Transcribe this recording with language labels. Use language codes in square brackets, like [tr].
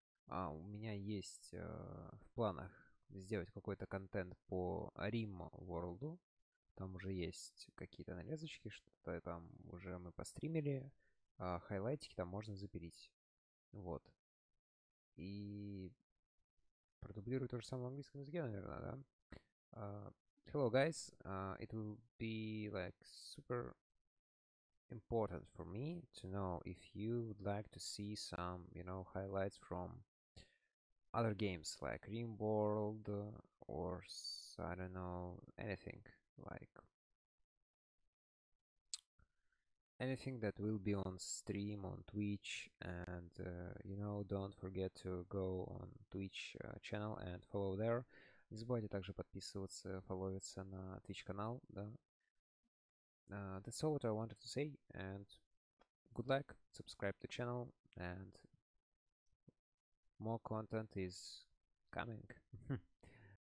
[ru] У меня есть в планах сделать какой-то контент по Rim World. Там уже есть какие-то нарезочки, что-то там уже мы постримили, а хайлайтики там можно запилить. Вот. И продублирую то же самое в английском языке, наверное, да? [en] Hello, guys. It will be like super important for me to know if you would like to see some, highlights from other games, like Rim World or, I don't know, anything. Like anything that will be on stream on Twitch, and don't forget to go on Twitch channel and follow there. [ru] Не забывайте также подписываться, фолловиться на Twitch канал, да. [en] That's all what I wanted to say, and good luck, subscribe to channel, and more content is coming.